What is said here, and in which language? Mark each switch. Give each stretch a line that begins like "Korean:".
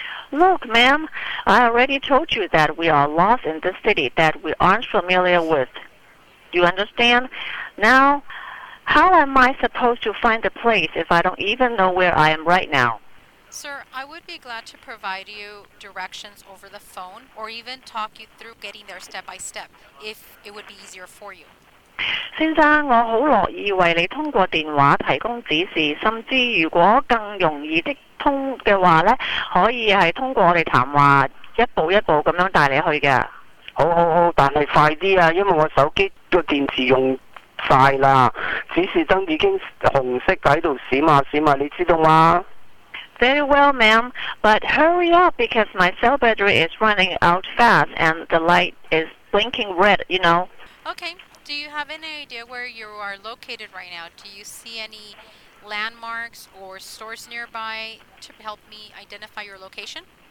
English: Look, ma'am, I already told you that we are lost in this city that we aren't familiar with. You understand? Now, how am I supposed to find the place if I don't even know where I am right now? Sir, I would be glad to provide you directions over the phone or even talk you through getting there step by step, if it would be easier for you.
Chinese: 先生，我好乐意为你通过电话提供指示，甚至如果更容易的通的话呢，可以是通过我们谈话一步一步这样带你去的。好好好，但是快点啊，因为我手机的电池用快了，指示灯已经红色在这里闪啊闪啊，你知道吗？
English: Very well, ma'am, but hurry up because my cell battery is running out fast and the light is blinking red, you know. Okay, do you have any idea where you are located right now? Do you see any landmarks or stores nearby to help me identify your location?